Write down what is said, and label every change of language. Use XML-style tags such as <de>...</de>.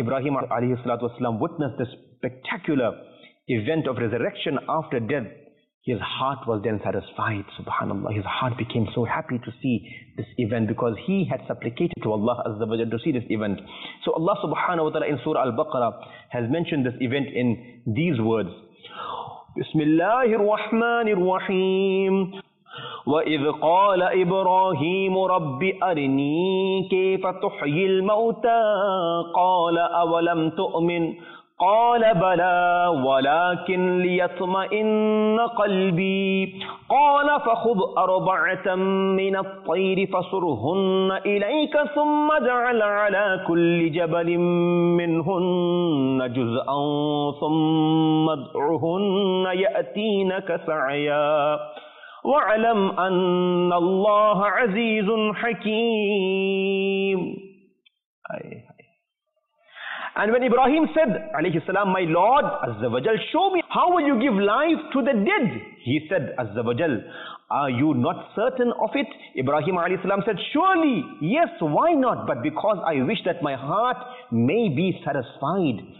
<en>When Ibrahim alayhi salatu wasalam witnessed this spectacular event of resurrection after death, his heart was then satisfied, subhanallah. His heart became so happy to see this event, because he had supplicated to Allah azza wa jal to see this event. So Allah subhanahu wa ta'ala in Surah Al-Baqarah has mentioned this event in these words.</en> <ar>بسم الله الرحمن الرحيم وإذ قال إبراهيم رب أرني كيف تحيي الموتى قال أولم تؤمن قال بلى ولكن ليطمئن قلبي قال فخذ أربعة من الطير فصرهن إليك ثم اجعل على كل جبل منهن جزءا ثم ادعهن يأتينك سعيا واعلم أن الله عزيز حكيم.</ar> <en>And when Ibrahim said, alayhi salam, my Lord, Azza wa Jal, show me, how will you give life to the dead? He said, Azza wa Jal, are you not certain of it? Ibrahim alayhi salam said, surely, yes, why not? But because I wish that my heart may be satisfied.</en>